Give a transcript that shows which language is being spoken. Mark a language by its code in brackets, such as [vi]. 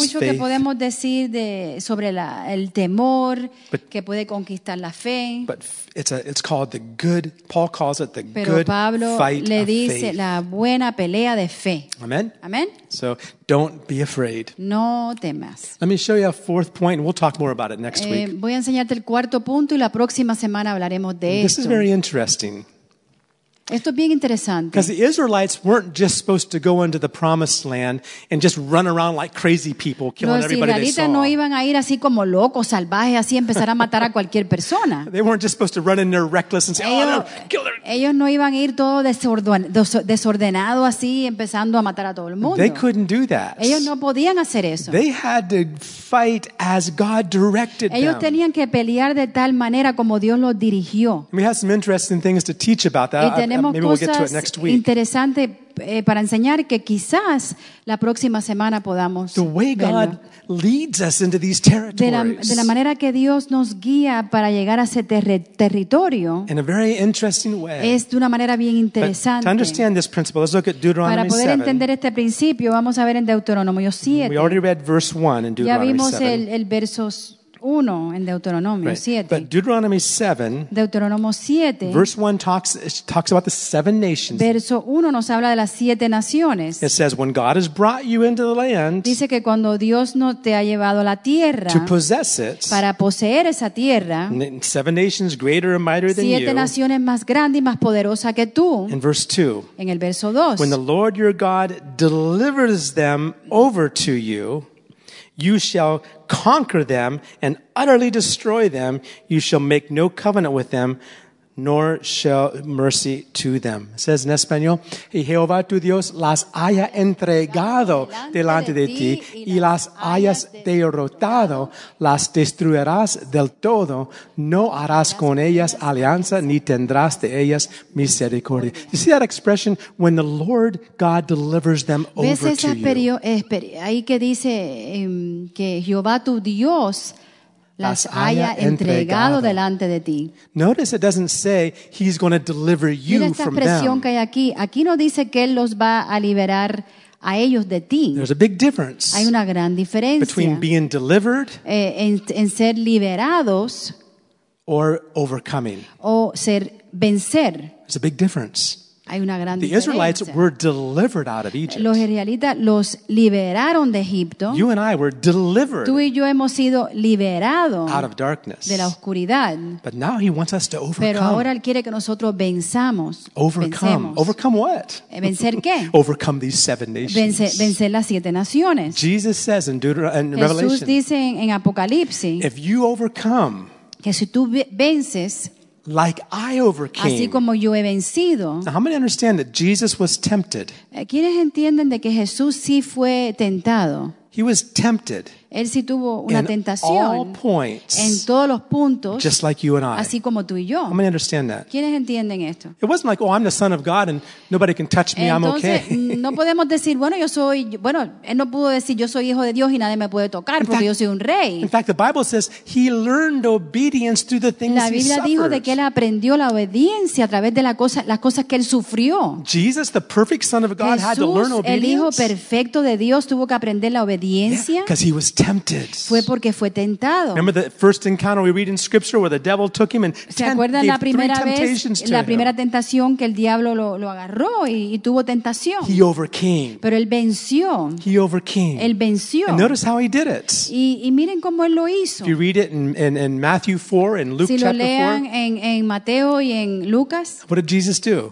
[es] Hay mucho que podemos decir sobre el temor que puede conquistar la fe. [en] But it's called the good. Paul calls it the good [es] Pero Pablo le dice la buena pelea de fe. Amen. Amen. [en] So don't be afraid. [es] No temas. [en] Let me show you a fourth point, and we'll talk more about it next week. [es] Voy a enseñarte el cuarto punto y la próxima semana hablaremos de esto. [en] This is very interesting. [es] Esto es bien interesante. [en] Because the Israelites weren't just supposed to go into the promised land and just run around like crazy people killing everybody they saw. [es] Los israelitas no iban a ir así como locos, salvajes, así empezar a matar a cualquier persona. [en] They weren't just supposed to run in there reckless and say, "Oh, kill her." [es] Ellos no iban a ir todo desordenado así empezando a matar a todo el mundo. [en] They couldn't do that. [es] Ellos no podían hacer eso. [en] They had to fight as God directed them. [es] Ellos tenían que pelear de tal manera como Dios los dirigió. [en] We have some interesting things to teach about that. [es] Tenemos cosas interesantes para enseñar que quizás la próxima semana podamos de la manera que Dios nos guía para llegar a ese territorio [en] in a very interesting way. [es] Es de una manera bien interesante. [en] To understand this principle, let's look at Deuteronomy 7. [es] Para poder entender este principio, vamos a ver en Deuteronomio 7. [en] We already read verse 1 in Deuteronomy 7. [es] Ya vimos el verso 1 en Deuteronomio 7. [en] But Deuteronomy 7, [es] Deuteronomio 7, [en] verse 1 talks about the seven nations. [es] Verso 1 nos habla de las siete naciones. [en] It says, when God has brought you into the land, [es] dice que cuando Dios no te ha llevado a la tierra, [en] to possess it, [es] para poseer esa tierra, [en] seven nations greater and mightier than you, [es] siete naciones más grandes y más poderosas que tú, [en] in verse 2, [es] en el verso 2, [en] when the Lord your God delivers them over to you, you shall conquer them and utterly destroy them. You shall make no covenant with them, nor show mercy to them. It says [es] en español, y Jehová tu Dios las haya entregado delante de ti y las hayas derrotado, las destruirás del todo, no harás con ellas alianza ni tendrás de ellas misericordia. [en] You see that expression? When the Lord God delivers them over to you. [es] ¿Ves esa ahí que dice que Jehová tu Dios las haya entregado delante de ti? [en] Notice it doesn't say he's going to deliver you from them. [es] Mira esta expresión que hay aquí. Aquí no dice que él los va a liberar a ellos de ti. [en] There's a big difference. [es] Hay una gran diferencia [en] between being delivered [es] en ser liberados [en] or overcoming. [es] O ser vencer. [en] There's a big difference. [es] Hay una gran [en] diferencia. The Israelites were delivered out of Egypt. [es] Los israelitas los liberaron de Egipto. [en] You and I were delivered. [es] Tú y yo hemos sido liberados [en] out of darkness. [es] De la oscuridad. [en] But now he wants us to overcome. [es] Pero ahora él quiere que nosotros venzamos. [en] Overcome. [es] Vencemos. [en] Overcome what? [es] ¿Vencer qué? [en] Overcome these seven nations. [es] Vencer las siete naciones. [en] Jesus says in Revelation. [es] Jesús dice en Apocalipsis. [en] If you overcome. [es] Que si tú vences. [en] Like I overcame. [es] Así como yo he vencido. [en] Now, how many understand that Jesus was tempted? [es] ¿Quiénes entienden de que Jesús sí fue tentado? [en] He was tempted. [es] Él sí tuvo una tentación. [en] In all points. [es] En todos los puntos. [en] Just like you and I. [es] Así como tú y yo. [en] How many understand that? [es] ¿Quiénes entienden esto? [en] It wasn't like, oh, I'm the son of God and nobody can touch me. [es] Entonces, [en] I'm okay. [es] No podemos decir, bueno, yo soy, bueno, él no pudo decir, yo soy hijo de Dios y nadie me puede tocar porque yo soy un rey. [en] In fact, the Bible says he learned obedience through the things he suffered. [es] La Biblia dijo de que él aprendió la obediencia a través de la cosa, las cosas que él sufrió. [en] Jesus, the perfect son of God, [es] Jesús, [en] had to learn obedience. [es] El hijo perfecto de Dios tuvo que aprender la obediencia. [en] Because he was tempted. [es] Fue porque fue tentado. [en] Remember the first encounter we read in scripture where the devil took him and tentación [es] que el diablo lo agarró y tuvo tentación. [en] He overcame. [es] Pero él venció. [en] He overcame. [es] Él venció. [en] And notice how he did it. [es] Y miren cómo él lo hizo. [en] If you read it in Matthew 4 and Luke chapter 4. [es] Si lo lean en Mateo y en Lucas. [en] What did Jesus do?